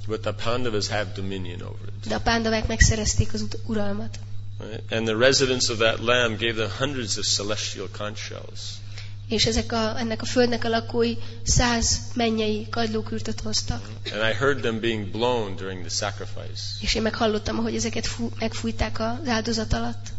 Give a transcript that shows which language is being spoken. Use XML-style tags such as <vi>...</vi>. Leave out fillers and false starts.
<en>But the Pandavas have dominion over it.</en> <hu>De a Pandavák megszerezték az uralmat.</hu> <en>Right? And the residents of that land gave them hundreds of celestial conch shells.</en> <hu>És ennek a földnek a lakói 100 mennyei kagylókürtöt hoztak.</hu> <en>And I heard them being blown during the sacrifice.</en> <hu>És én meghallottam, ahogy ezeket megfújták az áldozat alatt.</hu>